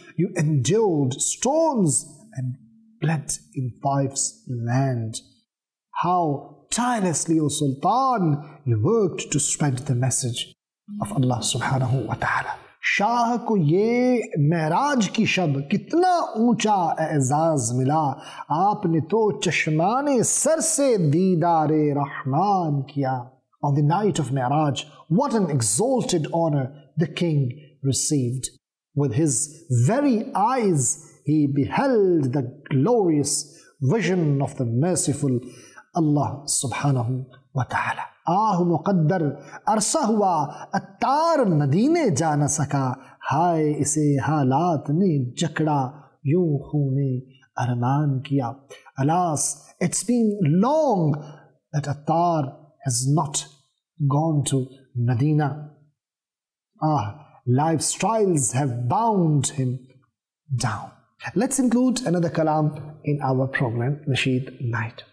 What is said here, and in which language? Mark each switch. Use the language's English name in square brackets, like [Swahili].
[English] You endured stones and bled in Taif's land. How tirelessly, O Sultan, you worked to spread the message of Allah subhanahu wa ta'ala. [Urdu] شاہ کو یہ معراج کی شب کتنا اونچا اعزاز ملا، آپ نے تو چشمان سر سے دیدار رحمان کیا. [English] On the night of معراج, what an exalted honor the king received. With his very eyes, he beheld the glorious vision of the merciful Allah subhanahu wa ta'ala. [Urdu] آہ مقدر عرصہ ہوا اتار مدینے جا نہ سکا، ہائے اسے حالات نے جکڑا یوں خون ارمان کیا. [English] Alas, it's been long that Attar has not gone to Medina. Ah, life's trials have bound him down. Let's include another kalam in our program, Nasheed Night.